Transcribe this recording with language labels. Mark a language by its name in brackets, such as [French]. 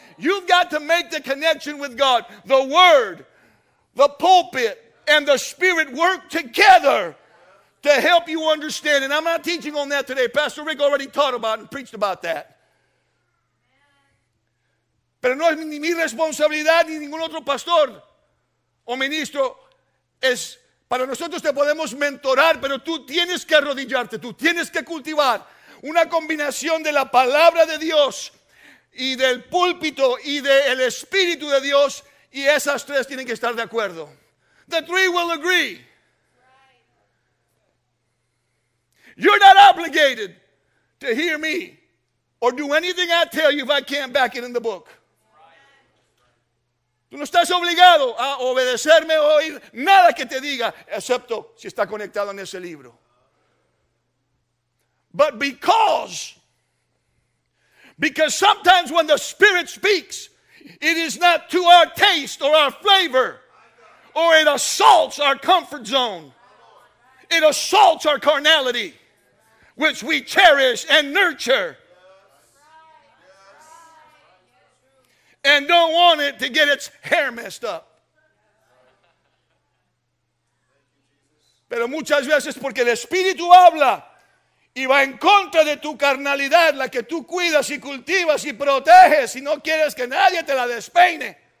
[English] You've got to make the connection with God. The Word, the pulpit, and the Spirit work together to help you understand. And I'm not teaching on that today. Pastor Rick already taught about and preached about that. [Spanish] Pero no es ni mi responsabilidad ni ningún otro pastor o ministro. Es para nosotros, te podemos mentorar, pero tú tienes que arrodillarte, tú tienes que cultivar una combinación de la palabra de Dios y del púlpito y del Espíritu de Dios, y esas tres tienen que estar de acuerdo. [English] The three will agree. You're not obligated to hear me or do anything I tell you if I can't back it in the book. [Spanish] Tú no estás obligado a obedecerme o oír nada que te diga, excepto si está conectado en ese libro. [English] But because sometimes when the Spirit speaks, it is not to our taste or our flavor, or it assaults our comfort zone. It assaults our carnality, which we cherish and nurture. And don't want it to get its hair messed up. [Spanish] Pero muchas veces porque el Espíritu habla y va en contra de tu carnalidad, la que tú cuidas y cultivas y proteges y no quieres que nadie te la despeine.